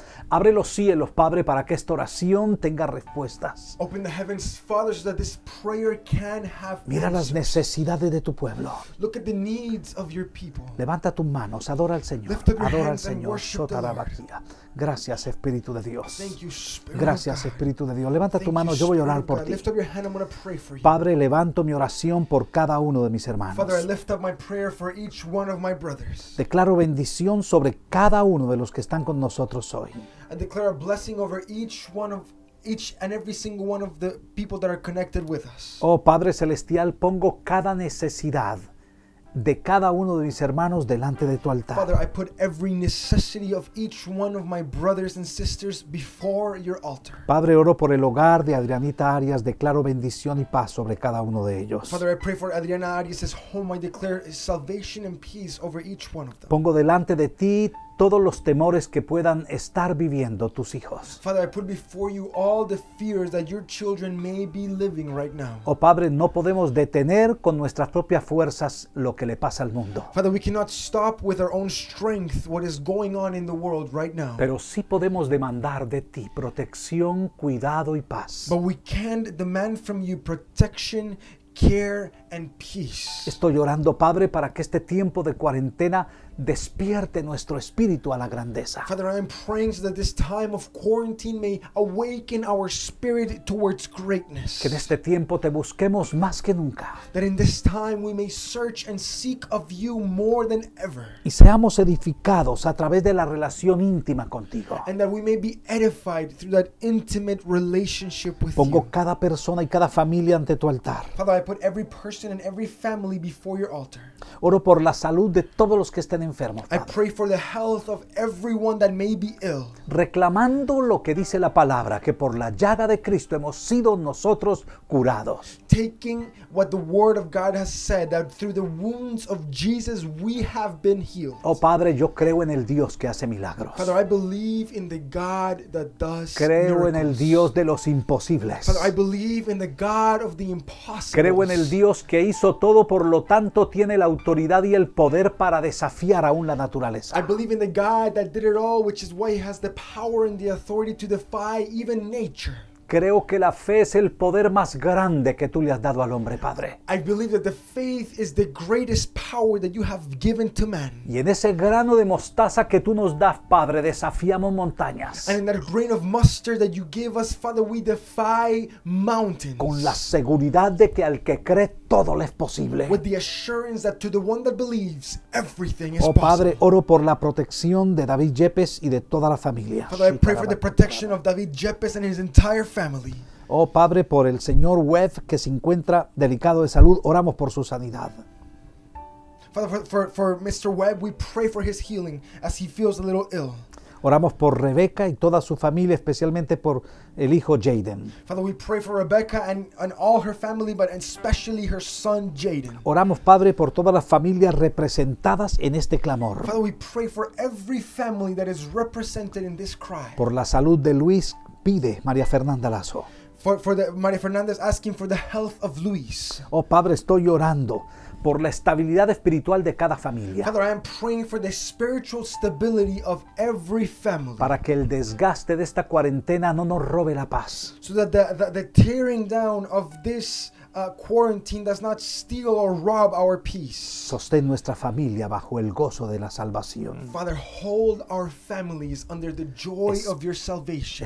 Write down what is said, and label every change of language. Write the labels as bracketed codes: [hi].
[es] Abre los cielos, Padre, para que esta oración tenga respuestas. [en] Open the heavens, Father, so that this prayer can have answers. [es] Mira las necesidades de tu pueblo. [en] Look at the needs of your people. [es] Levanta tus manos, adora al Señor. [en] Lift up your [es] adora [en] hands [es] al Señor. [en] And worship the Lord. [es] Gracias, Espíritu de Dios. [en] Thank you, Spirit. [es] Gracias, Espíritu de Dios. Levanta tu mano, yo voy a orar por ti. [en] Lift up your hand, I'm going to pray for you. [es] Padre, levanto mi oración por cada uno de mis hermanos. [en] Father, I lift up my prayer for each one of my brothers. [es] Declaro bendición sobre cada uno de los que están con nosotros hoy. [en] I declare a blessing over each and every single one of the people that are connected with us. [es] Oh, Padre celestial, pongo cada necesidad de cada uno de mis hermanos delante de tu altar. [en] Father, I put every necessity of each one of my brothers and sisters before your altar. [es] Padre, oro por el hogar de Adrianita Arias, declaro bendición y paz sobre cada uno de ellos. [en] Father, I pray for Adriana Arias' home, I declare salvation and peace over each one of them. [es] Pongo delante de ti todos los temores que puedan estar viviendo tus hijos. [en] Father, I put before you all the fears that your children may be living right now. [es] Oh, Padre, no podemos detener con nuestras propias fuerzas lo que le pasa al mundo. [en] Father, we cannot stop with our own strength what is going on in the world right now. [es] Pero sí podemos demandar de ti protección, cuidado y paz. [en] But we can demand from you protection, care and peace. [es] Estoy orando, Padre, para que este tiempo de cuarentena despierte nuestro espíritu a la grandeza. [en] Father, I am praying so that this time of quarantine may awaken our spirit towards greatness. [es] Que en este tiempo te busquemos más que nunca. [en] That in this time we may search and seek of you more than ever. [es] Y seamos edificados a través de la relación íntima contigo. [en] And that we may be edified through that intimate relationship with [es] Pongo [en] you. [es] Pongo cada persona y cada familia ante tu altar. [en] Father, I put every person and every family before your altar. [es] Oro por la salud de todos los que están enfermos. [en] I pray for the health of everyone that may be ill. [es] Reclamando lo que dice la palabra, que por la llaga de Cristo hemos sido nosotros curados. [en] Taking what the word of God has said, that through the wounds of Jesus we have been healed. [es] Oh, Padre, yo creo en el Dios que hace milagros. [en] Father, I believe in the God that does [es] creo [en] miracles. [es] En el Dios de los imposibles. [en] Father, I believe in the God of the impossible. [es] Creo en el Dios que hizo todo, por lo tanto tiene la autoridad y el poder para desafiar aún la naturaleza. [en] I believe in the God that did it all, which is why he has the power and the authority to defy even nature. [es] Creo que la fe es el poder más grande que tú le has dado al hombre, Padre. [en] I believe that the faith is the greatest power that you have given to man. [es] Y en ese grano de mostaza que tú nos das, Padre, desafiamos montañas. [en] And in that grain of mustard that you give us, Father, we defy mountains. [es] Con la seguridad de que al que cree todo le es posible. [en] With the assurance that to the one that believes, everything is possible. [es] Oh, Padre, oro por la protección de David Yepes y de toda la familia. [en] Father, I pray for the protection of David Yepes and his entire family. [es] Oh, Padre, por el señor Webb, que se encuentra delicado de salud, oramos por su sanidad. [en] Father, for Mr. Webb, we pray for his healing as he feels a little ill. [es] Oramos por Rebeca y toda su familia, especialmente por el hijo Jaden. [en] Father, we pray for Rebecca and all her family, but especially her son Jaden. [es] Oramos, Padre, por todas las familias representadas en este clamor. [en] Father, we pray for every family that is represented in this cry. [es] Por la salud de Luis, pide María Fernanda Lazo. [en] María Fernanda is asking for the health of Luis. [es] Oh, Padre, estoy orando por la estabilidad espiritual de cada familia. [en] Father, I am praying for the spiritual stability of every family. [es] Para que el desgaste de esta cuarentena no nos robe la paz. [en] So that the tearing down of this quarantine does not steal or rob our peace. [es] Sostén nuestra familia bajo el gozo de la salvación. [en] Father, hold our families under the joy of your salvation.